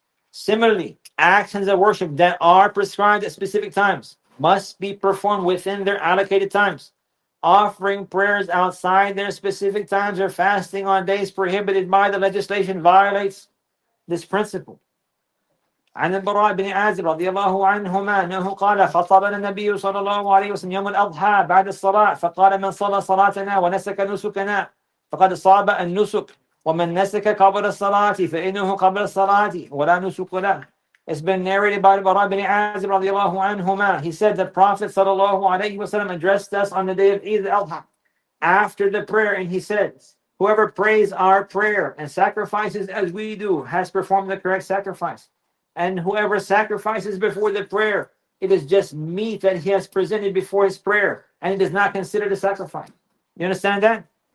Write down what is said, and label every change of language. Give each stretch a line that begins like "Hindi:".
English: Similarly, actions of worship that are prescribed at specific times must be performed within their allocated times. Offering prayers outside their specific times or fasting on days prohibited by the legislation violates this principle.
Arabic: عن البراء بن عازب رضي الله عنهما أنه قال خطبنا النبي صلى الله عليه وسلم يوم الأضحى بعد الصلاة فقال من صلى صلاتنا ونسك نسكنا فقد صاب النسك ومن نسك قبل الصلاة فإنه قبل الصلاة ولا نسك له.
English: It's been narrated by
Arabic: البراء بن عازب رضي الله عنهما.
English: He said the Prophet
Arabic: صلى الله عليه وسلم
English: addressed us on the day of Eid al-Adha after the prayer, and he said, whoever prays our prayer and sacrifices as we do has performed the correct sacrifice. And whoever sacrifices before the prayer, it is just meat that he has presented before his prayer, and it is not considered a sacrifice. You understand that?